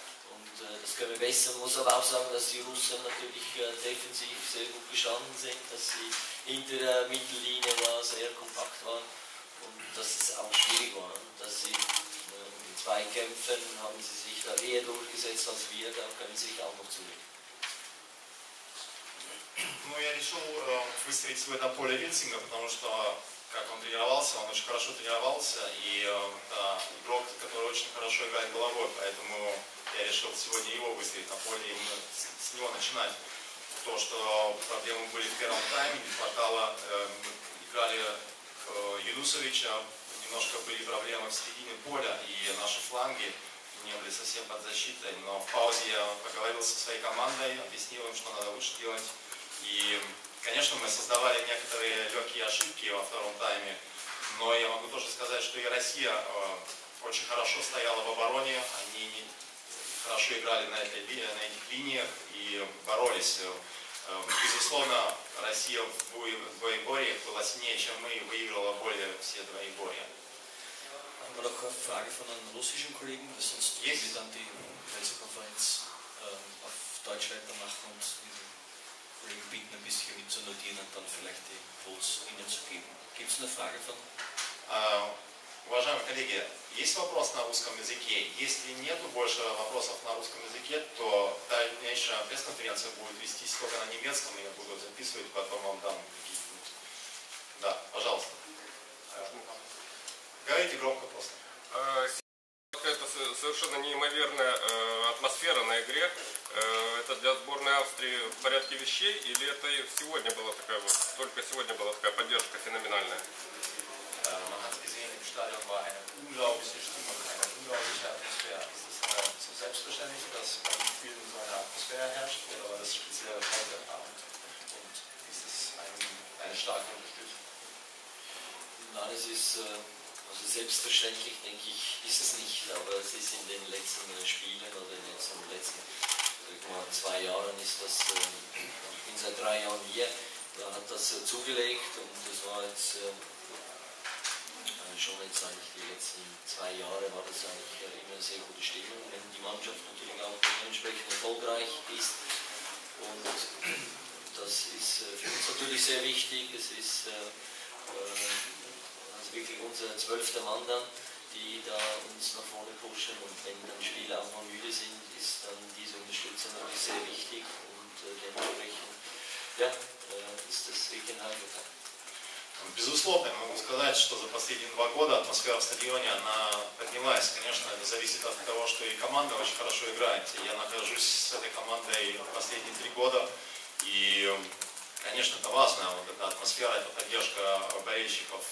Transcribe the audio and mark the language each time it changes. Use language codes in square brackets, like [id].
[de] Und das können wir besser. Man muss aber auch sagen, dass die Russen natürlich defensiv sehr gut gestanden sind, dass sie hinter der Mittellinie sehr kompakt waren. Und dass es auch schwierig war, dass sie in zwei Kämpfen haben sie sich da eher durchgesetzt als wir, da können sie sich auch noch zulegen. [ru] Ну, я решил выставить себя на поле Ильсинга, потому что как он тренировался, он очень хорошо тренировался, и это игрок, который очень хорошо играет головой, поэтому я решил сегодня его выставить на поле и с него начинать. То, что проблемы были в первом тайме, не хватало, играли Юнусовича, немножко были проблемы в середине поля, и наши фланги не были совсем под защитой, но в паузе я поговорил со своей командой, объяснил им, что надо лучше делать. И, конечно, мы создавали некоторые легкие ошибки во втором тайме, но я могу тоже сказать, что и Россия очень хорошо стояла в обороне, они хорошо играли на этих линиях и боролись. Безусловно, Россия в двоеборье была сильнее, чем мы, и выиграла более все двоеборья. [de] Haben wir noch eine Frage von einem russischen Kollegen, weil sonst yes. Wir dann die Pressekonferenz auf Deutsch weitermachen und diesen Kollegen bitten, ein bisschen mitzunotieren und dann vielleicht die Puls Ihnen zu geben. Gibt es eine Frage von? [ru] Уважаемые коллеги, есть вопрос на русском языке? Если нет больше вопросов на русском языке, то дальнейшая пресс-конференция будет вестись только на немецком, я буду записывать, потом вам дам какие-нибудь. Да, пожалуйста. Говорите громко просто. Это совершенно неимоверная атмосфера на игре. Это для сборной Австрии в порядке вещей, или это и сегодня была такая вот, только сегодня была такая поддержка феноменальная? [de] Im Stadion war eine unglaubliche Stimmung, eine unglaubliche Atmosphäre. Es ist so selbstverständlich, dass man viel in so einer Atmosphäre herrscht, aber das spezielle heute Abend. Und ist es eine starke Unterstützung? Nein, es ist also selbstverständlich, denke ich, ist es nicht, aber es ist in den letzten Spielen oder in den letzten zwei Jahren ist das, ich bin seit drei Jahren hier, da hat das zugelegt und das war jetzt. Schon jetzt eigentlich die letzten zwei Jahre war das eigentlich immer eine sehr gute Stimmung, wenn die Mannschaft natürlich auch dementsprechend erfolgreich ist. Und das ist für uns natürlich sehr wichtig. Es ist also wirklich unser zwölfter Mann dann, die da uns nach vorne pushen. Und wenn dann Spieler auch mal müde sind, ist dann diese Unterstützung natürlich sehr wichtig. Und dementsprechend ja, ist das wirklich ein Heimvorteil. [ru] Безусловно, я могу сказать, что за последние два года атмосфера в стадионе, она поднялась. Конечно, это зависит от того, что и команда очень хорошо играет. Я нахожусь с этой командой последние три года. И, конечно, это важно, вот эта атмосфера, эта поддержка болельщиков.